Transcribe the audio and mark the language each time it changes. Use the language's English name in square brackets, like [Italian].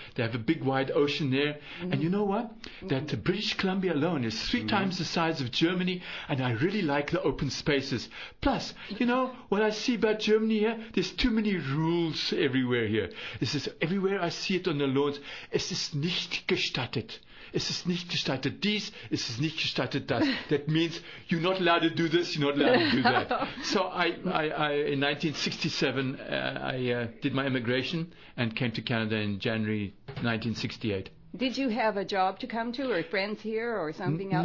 [English] They have a big wide ocean there. Mm-hmm. And you know what? That British Columbia alone is three mm-hmm. times the size of Germany, and I really like the open spaces. Plus, you know what I see about Germany here? There's too many rules everywhere here. This is everywhere I see it on the lawns. [German] Es ist nicht gestattet. Es ist nicht gestattet dies, es ist nicht gestattet das. [English] That means you're not allowed to do this, you're not allowed to do that. So I in 1967, I did my immigration and came to Canada in January 1968. Did you have a job to come to, or friends here, or something else?